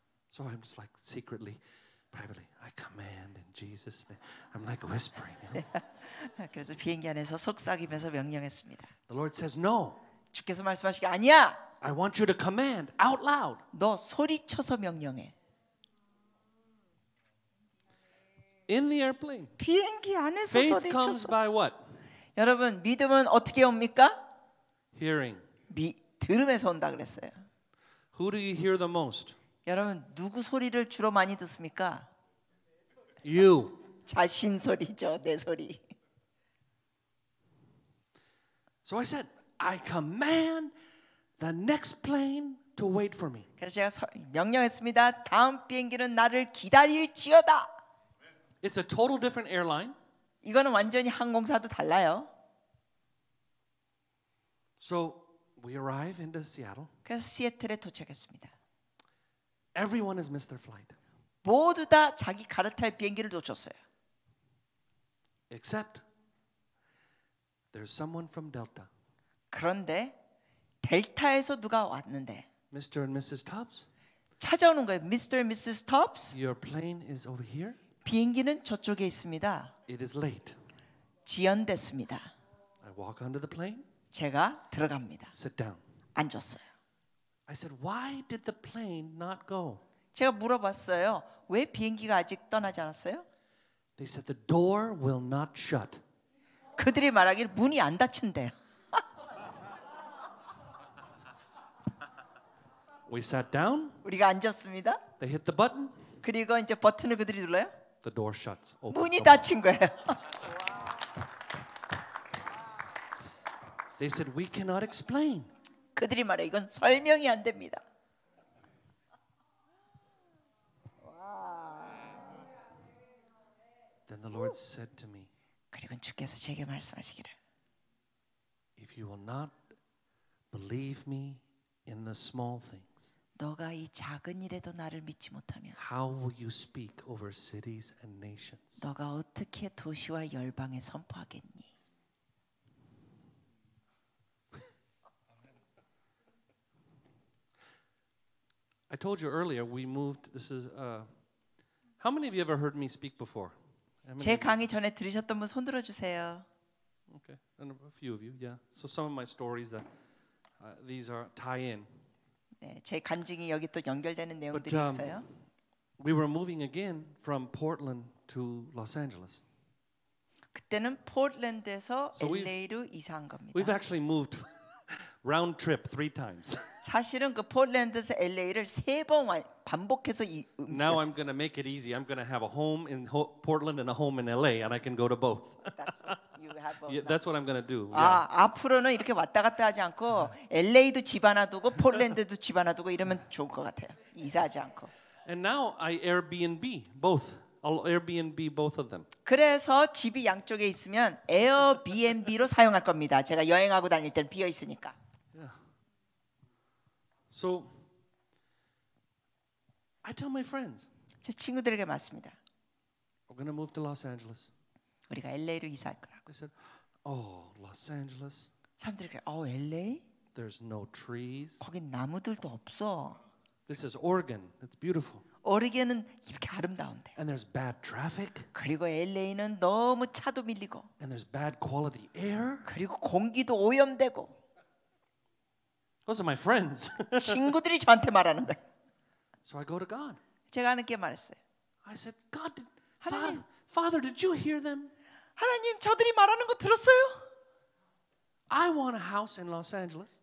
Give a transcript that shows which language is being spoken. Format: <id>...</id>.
<en>So I'm just like secretly, privately, I command in Jesus' name. I'm like whispering.</en> <ko>그래서 비행기 안에서 속삭이면서 명령했습니다.</ko> <en>The Lord says, "No."</en> <ko>주께서 말씀하시기 아니야.</ko> <en>I want you to command out loud.</en> <ko>너 소리쳐서 명령해.</ko> <en>In the airplane.</en> <ko>비행기 안에서</ko> <en>Faith</en> <ko>소리쳐서.</ko> <en>Faith comes by what?</en> <ko>여러분 믿음은 어떻게 옵니까?</ko> <en>Hearing.</en> <ko>들음에서 온다 그랬어요.</ko> <en>Who do you hear the most?</en> <ko>여러분 누구 소리를 주로 많이 듣습니까?</ko> <en>You.</en> <ko>자신 소리죠, 내 소리.</ko> <en>So I said, I command the next plane to wait for me.</en> <ko>그래서 제가 명령했습니다. 다음 비행기는 나를 기다릴지어다.</ko> <en>It's a total different airline.</en> <ko>이거는 완전히 항공사도 달라요.</ko> <en>So we arrive into Seattle.</en> <ko>그래서 시애틀에 도착했습니다.</ko> <en>Everyone has missed their flight.</en> <ko>모두 다 자기 갈아탈 비행기를 놓쳤어요.</ko> <en>Except there's someone from Delta.</en> <ko>그런데 델타에서 누가 왔는데</ko> <en>Mr. and Mrs. Tubbs?</en> <ko>찾아오는 거예요.</ko> <en>Mr. and Mrs. Tubbs? Your plane is over here.</en> <ko>비행기는 저쪽에 있습니다.</ko> <en>It is late.</en> <ko>지연됐습니다.</ko> <en>I walk onto the plane.</en> <ko>제가 들어갑니다.</ko> <en>Sit down.</en> <ko>앉았어요.</ko> <en>I said, "Why did the plane not go?"</en> <ko>제가 물어봤어요. 왜 비행기가 아직 떠나지 않았어요?</ko> <en>They said the door will not shut.</en> <ko>그들이 말하길 문이 안 닫힌대요.</ko> <en>We sat down.</en> <ko>우리가 앉았습니다.</ko> <en>They hit the button.</en> <ko>그리고 이제 버튼을 그들이 눌러요.</ko> <en>The door shuts.</en> <ko>문이 닫힌 거예요.</ko> <en>They said we cannot explain.</en> <ko>그들이 말해 이건 설명이 안 됩니다.</ko> <en>Then the Lord said to me.</en> <ko>그리고 주께서 제게 말씀하시기를.</ko> <en>If you will not believe me in the small things.</en> <ko>너가 이 작은 일에도 나를 믿지 못하면.</ko> <en>How will you speak over cities and nations?</en> <ko>너가 어떻게 도시와 열방에 선포하겠니?</ko> <en>I told you earlier we moved. This is. How many of you ever heard me speak before?</en> <ko>제 강의 전에 들으셨던 분 손 들어주세요.</ko> <en>Okay, and a few of you, yeah. So some of my stories that these are tie in.</en> <ko>네, 제 간증이 여기 또 연결되는 내용들이 있어요.</ko> <en>We were moving again from Portland to Los Angeles.</en> <ko>그때는 포틀랜드에서 LA로 이사한 겁니다.</ko> <en>We've actually moved round trip three times.</en> <ko>사실은 그 포틀랜드에서 LA를 세 번 반복해서 움직였어요.</ko> <en>Now I'm going to make it easy. I'm going to have a home in Portland and a home in LA and I can go to both. That's what you have both. Yeah, that's what I'm going to do. 아, yeah.</en> <ko>앞으로는 이렇게 왔다 갔다 하지 않고 LA도 집 하나 두고 포틀랜드도 집 하나 두고 이러면 좋을 것 같아요. 이사하지 않고.</ko> <en>And now I Airbnb both. I'll Airbnb both of them.</en> <ko>그래서 집이 양쪽에 있으면 에어비앤비로 사용할 겁니다. 제가 여행하고 다닐 때는 비어 있으니까.</ko> <en>So I tell my friends.</en> <ko>제 친구들에게 말씀합니다.</ko> <en>We're going to move to Los Angeles.</en> <ko>우리가 LA로 이사할 거라고.</ko> <en>I said, "Oh, Los Angeles."</en> <ko>사람들이 그래.</ko> <en>Oh, LA? There's no trees.</en> <ko>거긴 나무들도 없어.</ko> <en>This is Oregon. It's beautiful.</en> <ko>오리겐은 이렇게 아름다운데.</ko> <en>And there's bad traffic.</en> <ko>그리고 LA는 너무 차도 밀리고.</ko> <en>And there's bad quality air.</en> <ko>그리고 공기도 오염되고.</ko> <en>Those are my friends.</en> <ko>친구들이 저한테 말하는 거야.</ko> <en>So I go to God.</en> <ko>제가 하나님께 말했어요.</ko> <en>I said, God, Father, did you hear them?</en> <ko>하나님, 저들이 말하는 거 들었어요?</ko> <en>I want a house in Los Angeles.</en>